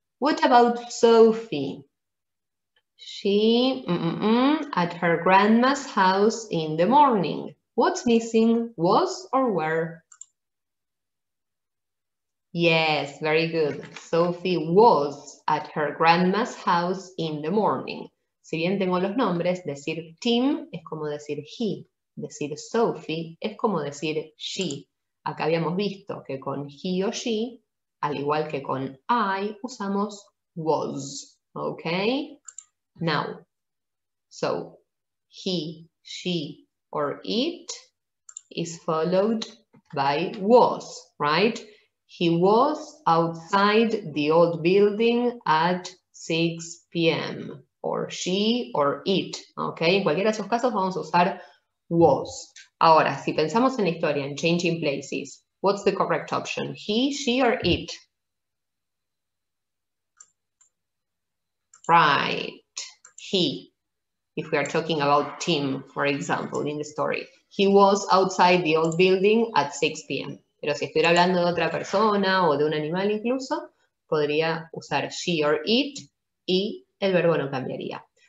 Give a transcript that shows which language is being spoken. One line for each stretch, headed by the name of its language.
English: What about Sophie? She at her grandma's house in the morning. What's missing? Was or were? Yes, very good. Sophie was at her grandma's house in the morning.
Spanish: Si bien tengo los nombres, decir Tim es como decir he. Decir Sophie es como decir she. Acá habíamos visto que con he o she, al igual que con I, usamos was. ¿Ok?
English: Now, so he, she, or it is followed by was, right? He was outside the old building at 6 p.m. or she or it, ¿ok?
Spanish: En cualquiera de esos casos vamos a usar was. Ahora, si pensamos en la historia, en
English: changing places, what's the correct option? He, she, or it? Right, he. If we are talking about Tim, for example, in the story, he was outside the old building at 6 p.m.
Spanish: Pero si estuviera hablando de otra persona o de un animal incluso, podría usar
English: she or it
Spanish: y el verbo no cambiaría.